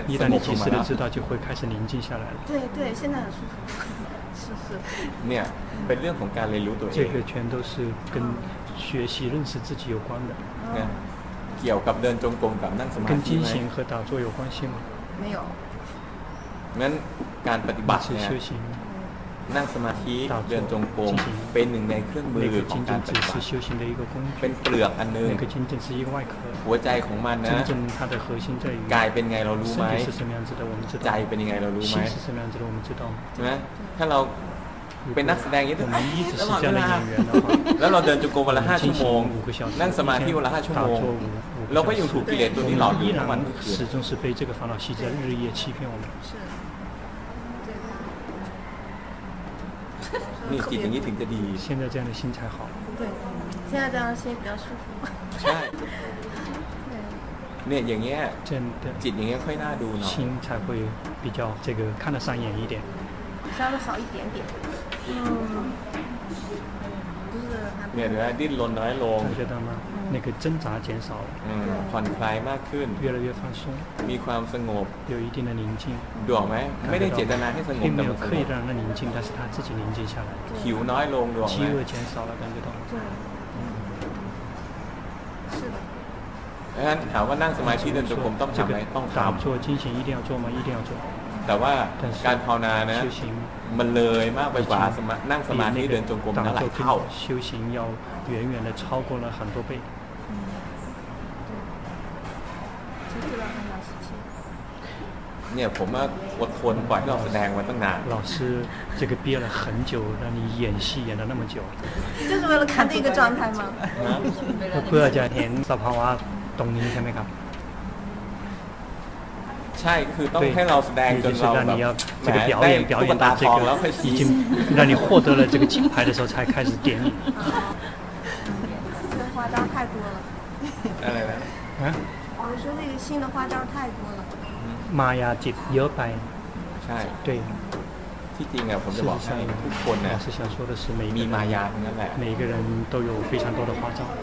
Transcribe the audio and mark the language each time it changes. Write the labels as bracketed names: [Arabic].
[Chinese] 一旦你及时的知道，就会开始宁静下来了。对对，现在很舒服，是。你看，本身从家里流动。这个全都是跟学习认识自己有关的。嗯。有跟练中功、跟那什么？跟精行和打坐有关系吗？没有。那，干ปฏิบัติ 修行。 [Thai] นั่งสมาธิเดินจงกรมเป็นหนึ่งในเครื่องมือของการปฏิบัติ เป็นเปลือกอันนึงหั วใจของมันนะกายเป็นไงเรารู้ไหมใจเป็นยังไงเรารู้ไหมใช่ไหมถ้าเราเป็นนักแสดง นี้ถึง แล้วเราเดิน แล้วเราเดินจงกรมวันละห้าชั่วโมงนั่งสมาธิวันละห้าชั่วโมงเราก็ยังถูกกิเลสตัวนี้หลอกอยู่ทั้งวัน ทั้งคืนเราก็ยังถูกกิเลสตัวนี้หลอกอยู่ นี่จิตอย่างนี้ถึงจะดี [Chinese] 现在这样的心才好对现在这样的心比较舒服 [Thai] ใช่เนี่ยอย่างเงี้ย [Chinese] 真的 [Thai] จิตอย่างเงี้ยค่อยน่าดูเนาะ [Chinese] 心才会比较这个看得上眼一点稍微好一点点 [Thai] เนี่ยเหลือดิ้นรนน้อยลง [Chinese] 感觉到吗那个挣扎减少了 [Thai] ผ่อนคลายมากขึ้น [Chinese] 越来越放松 [Thai] มีความสงบ [Chinese] 有一定的宁静 [Thai] ดูออกไหมไม่ได้เจตนาให้สงบ แต่ไม่ได้เคยได้ [Chinese] 让它宁静但是它自己宁静下来 [Thai] หิวน้อยลงดูออกไหม [Chinese] 饥饿减少了感觉到对是 [Thai] 的ถามว่านั่งสมาธิเดินจงกรมต้องทำไหมต้องทำ [Chinese] 打坐精行一定要做吗一定要做 [Thai] แต่ว่าการภาวนานะมันเลยมากไปกว่านั่งสมาธิเดินจงกรมนั่นหลายเท่า [Chinese] 修行要远远的超过了很多倍 [Thai] เนี่ยผมอดทนปล่อยให้เราแสดงมาตั้งนาน [Chinese] 老师这个憋了很久让你演戏演了那么久就是为了看这个状态吗我不要讲天 [Thai] สภาวะตรงนี้ใช่ไหมครับ ใช่คือต้องให้เราแสดงจนเราแบบ [Chinese] แหม表演表演到这个已经让你获得了这个金牌的时候才开始点你今天夸张太多了来来来我说这个新的夸张太多了 [Thai] มายาจิตเยอะไป ใช่ [Chinese] 对 [Thai] ที่จริงอ่ะผมจะบอกให้ทุกคนนะ [Chinese] 老师想说的是每 [Thai] มีมายาทั้งนั้นแหละ [Chinese] 每一个人都有非常多的花招